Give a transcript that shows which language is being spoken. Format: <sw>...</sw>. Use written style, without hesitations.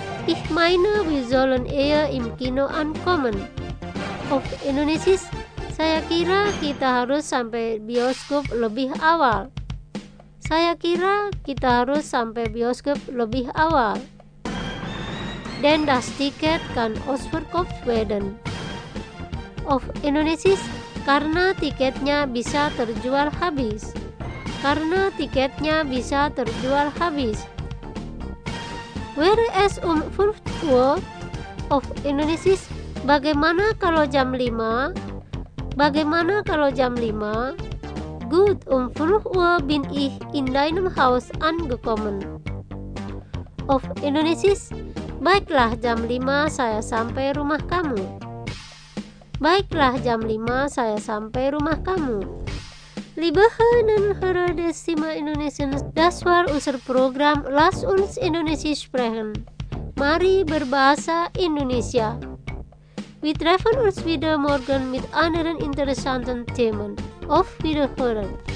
<de>Ich meine, wir sollen eher im Kino ankommen.</de> <id>Of Indonesis, saya kira kita harus sampai bioskop lebih awal. Saya kira kita harus sampai bioskop lebih awal.</id> <de>Denn das Ticket kann ausverkauft werden.</de> <id>Of Indonesis, karena tiketnya bisa terjual habis. Karena tiketnya bisa terjual habis.</id> <en>Where is</en> <id>5 Uhr? Of Indonesis, bagaimana kalau jam 5? Bagaimana kalau jam 5?</id> <de>Gut, 5 Uhr bin ich in deinem Haus angekommen.</de> <id>Of Indonesis, baiklah jam 5 saya sampai rumah kamu. Baiklah jam 5 saya sampai rumah kamu.</id> <de>Liebe Hörerinnen und Hörer des Stimme Indonesien, das war unser Programm Lass uns Indonesisch sprechen.</de> <id>Mari berbahasa Indonesia.</id> <de>Wir treffen uns wieder morgen mit anderen interessanten Themen. Auf Wiederhören!</de>